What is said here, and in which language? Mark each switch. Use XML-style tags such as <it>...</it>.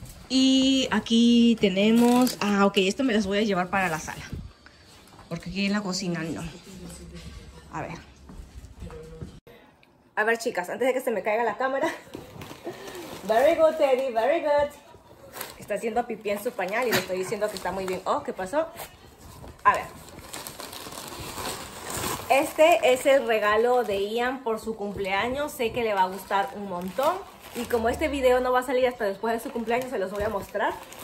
<es>Y aquí tenemos, ok, esto me las voy a llevar para la sala, porque aquí en la cocina no. A ver chicas, antes de que se me caiga la cámara.</es> <en>Very good, Teddy, very good.</en> <es>Está haciendo pipí en su pañal y le estoy diciendo que está muy bien. Oh, ¿qué pasó? A ver. Este es el regalo de Ian por su cumpleaños. Sé que le va a gustar un montón. Y como este video no va a salir hasta después de su cumpleaños, se los voy a mostrar.</es>